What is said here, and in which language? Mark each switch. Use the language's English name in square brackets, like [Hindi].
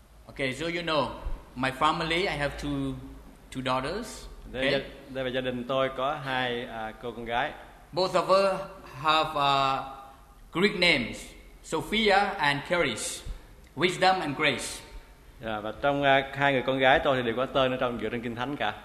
[English] Okay, so you know, my family, I have two daughters. Okay. [Vietnamese] Đây là gia đình tôi có hai cô con gái. [English] Both of her have Greek names, Sophia and Charis, Wisdom and Grace. [Vietnamese] Yeah, và trong hai người con gái tôi thì đều có tên ở trong dựa trên Kinh Thánh cả.